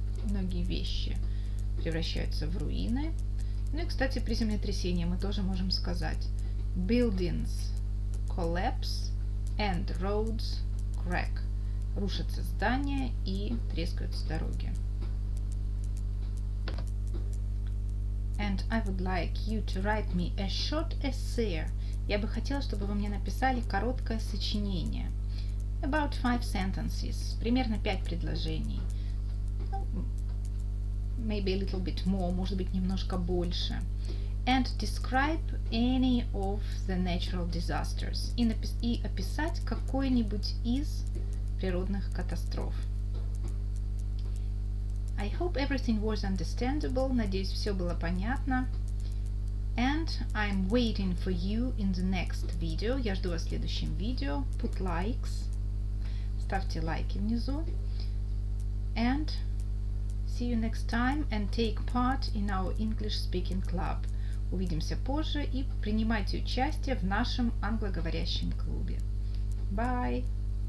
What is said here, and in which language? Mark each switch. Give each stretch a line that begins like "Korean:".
Russian: Многие вещи превращаются в руины. Ну и, кстати, при землетрясении мы тоже можем сказать
English: buildings collapse and roads crack.
Russian: Рушатся здания и трескаются дороги.
English: And I would like you to write me a short essay.
Russian: Я бы хотела, чтобы вы мне написали короткое сочинение.
English: About 5 sentences.
Russian: Примерно 5 предложений.
English: Maybe a little bit more,
Russian: может быть, немножко больше.
English: And describe any of the natural disasters.
Russian: И описать какой-нибудь из природных катастроф.
English: I hope everything was understandable.
Russian: Надеюсь, все было понятно.
English: And I'm waiting for you in the next video.
Russian: Я жду вас в следующем видео.
English: Put likes.
Russian: Ставьте лайки внизу.
English: And see you next time and take part in our English Speaking Club.
Russian: Увидимся позже и принимайте участие в нашем англоговорящем клубе.
English: Bye!